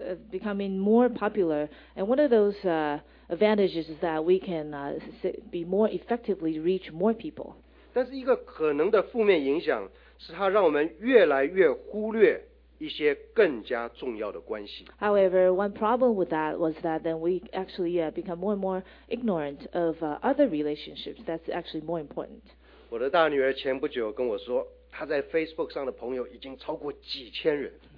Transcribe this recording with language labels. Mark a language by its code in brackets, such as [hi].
[en] Becoming more popular, and one of those advantages is that we can be more effectively reach more people. [zh] 但是一个可能的负面影响是它让我们越来越忽略一些更加重要的关系。 [en] However, one problem with that was that then we actually become more and more ignorant of other relationships that's actually more important. [zh] 我的大女儿前不久跟我说，她在 Facebook 上的朋友已经超过几千人。